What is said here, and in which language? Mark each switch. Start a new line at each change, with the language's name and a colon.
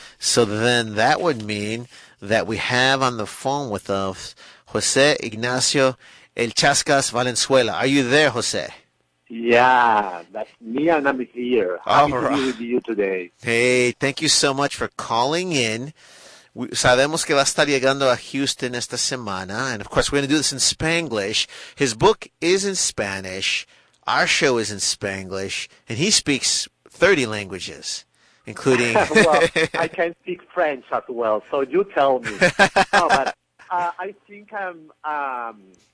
English: So then that would mean that we have on the phone with us Jose Ignacio El Chascas Valenzuela. Are you there, Jose? Yeah, that's me, and I'm here. Happy to be with you today. Hey, thank you so much for calling in.
Spanish: Sabemos que va a estar llegando a Houston esta semana.
English: And, of course, we're going to do this in Spanglish. His book is in Spanish. Our show is in Spanglish, and he speaks 30 languages, including... Well, I can speak French as well, so you tell me. I think I'm...